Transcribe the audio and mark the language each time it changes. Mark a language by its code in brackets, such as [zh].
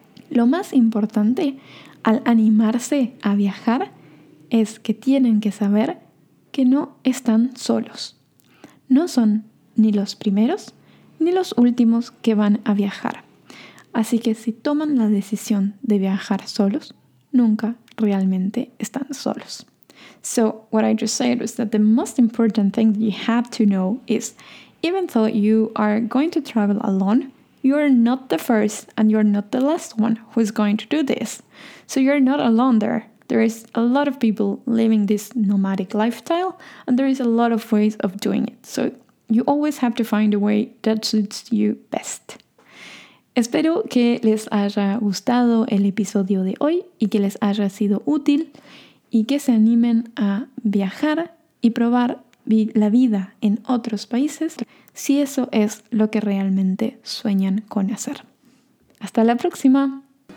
[es] Lo más importante al animarse a viajar es que tienen que saber que no están solos. No son ni los primeros ni los últimos que van a viajar. Así que si toman la decisión de viajar solos, nunca realmente están solos. [en] So what I just said was that the most important thing that you have to know is, even though you are going to travel alone, you're not the first and you're not the last one who's going to do this. So you're not alone there. There is a lot of people living this nomadic lifestyle, and there is a lot of ways of doing it. So you always have to find a way that suits you best. [es] Espero que les haya gustado el episodio de hoy y que les haya sido útil y que se animen a viajar y probar la vida en otros países si eso es lo que realmente sueñan con hacer. ¡Hasta la próxima!